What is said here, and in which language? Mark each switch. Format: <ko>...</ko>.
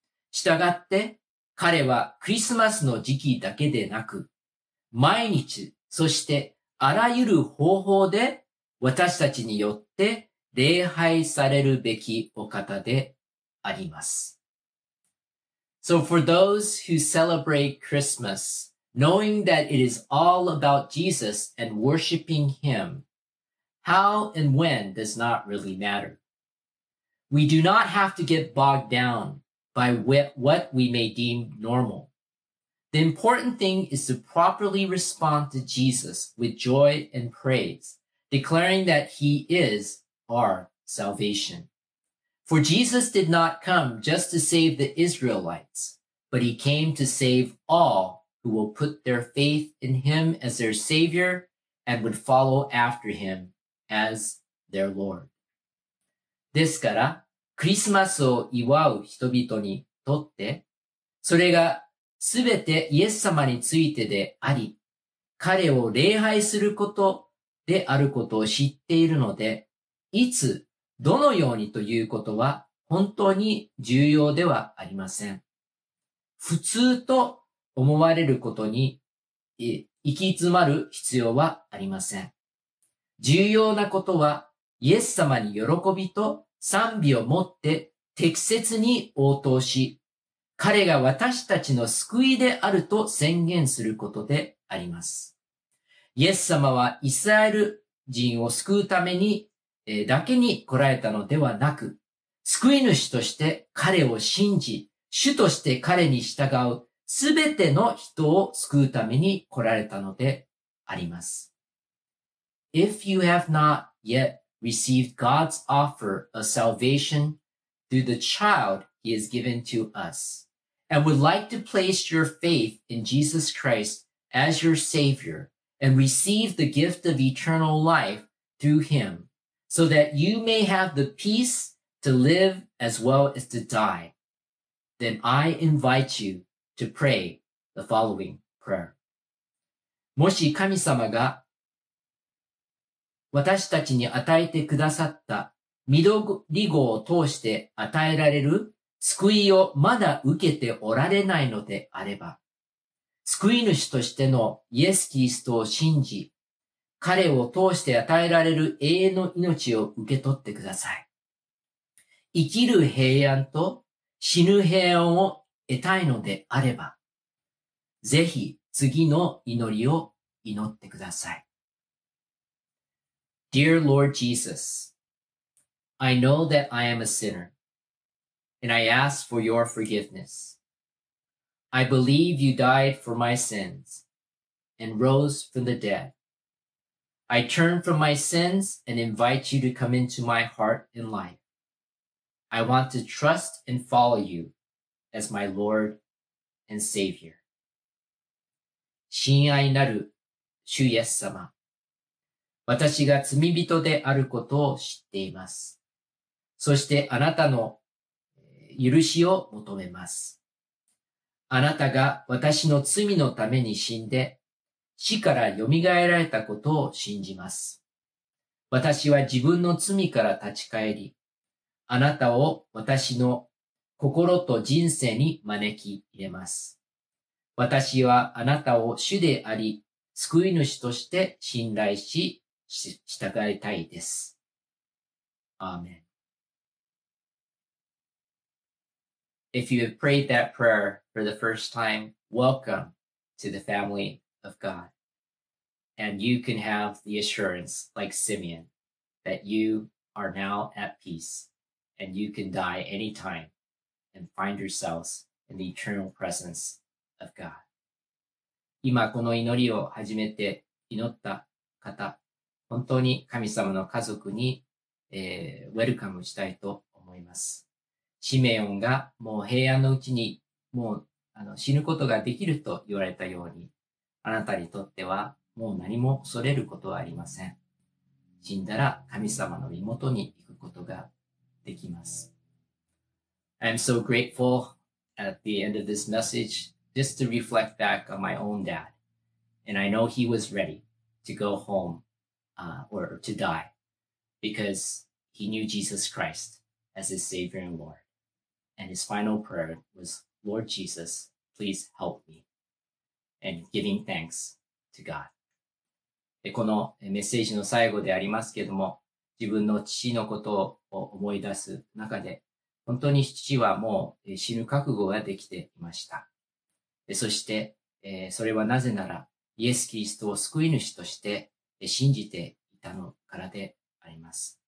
<ja>したがって、彼はクリスマスの時期だけでなく、毎日、そしてあらゆる方法で私たちによって礼拝されるべきお方であります。</ja> <en>So for those who celebrate Christmas, knowing that it is all about Jesus and worshiping him,How and when does not really matter. We do not have to get bogged down by what we may deem normal. The important thing is to properly respond to Jesus with joy and praise, declaring that he is our salvation. For Jesus did not come just to save the Israelites, but he came to save all who will put their faith in him as their savior and would follow after him. As their Lord.</en> <ja>ですから、クリスマスを祝う人々にとって、それがすべてイエス様についてであり、彼を礼拝することであることを知っているので、いつ、どのようにということは本当に重要ではありません。普通と思われることに行き詰まる必要はありません。重要なことは、イエス様に喜びと賛美を持って適切に応答し、彼が私たちの救いであると宣言することであります。イエス様はイスラエル人を救うために、だけに来られたのではなく、救い主として彼を信じ、主として彼に従うすべての人を救うために来られたのであります。</ja> <en>If you have not yet received God's offer of salvation through the child he has given to us and would like to place your faith in Jesus Christ as your savior and receive the gift of eternal life through him, so that you may have the peace to live as well as to die. Then I invite you to pray the following prayer.</en> <ja>もし神様が私たちに与えてくださった緑号を通して与えられる救いをまだ受けておられないのであれば、救い主としてのイエス・キリストを信じ、彼を通して与えられる永遠の命を受け取ってください。生きる平安と死ぬ平安を得たいのであれば、ぜひ次の祈りを祈ってください。</ja> <en>Dear Lord Jesus, I know that I am a sinner, and I ask for your forgiveness. I believe you died for my sins and rose from the dead. I turn from my sins and invite you to come into my heart and life. I want to trust and follow you as my Lord and Savior.</en> <ja>親愛なる主イエス様、私が罪人であることを知っています。そしてあなたの許しを求めます。あなたが私の罪のために死んで、死から蘇られたことを信じます。私は自分の罪から立ち返り、あなたを私の心と人生に招き入れます。私はあなたを主であり、救い主として信頼し、従いたいです。アーメン。</ja> <en>If you have prayed that prayer for the first time, welcome to the family of God. And you can have the assurance, like Simeon, that you are now at peace and you can die anytime and find yourselves in the eternal presence of God.</en> <ja>今この祈りを始めて祈った方、本当に神様の家族に、ウェルカムしたいと思います。シメオンがもう平安のうちにもう死ぬことができると言われたように、あなたにとってはもう何も恐れることはありません。死んだら神様の身元に行くことができます。</ja> <en>I'm so grateful at the end of this message just to reflect back on my own dad. And I know he was ready to go home. Or to die, because he knew Jesus Christ as his Savior and Lord. And his final prayer was, Lord Jesus, please help me. And giving thanks to God.</en> <ja>このメッセージの最後でありますけれども、自分の父のことを思い出す中で、本当に父はもう死ぬ覚悟ができていました。そして、それはなぜなら、イエス・キリストを救い主として、信じていたのからであります。</ja>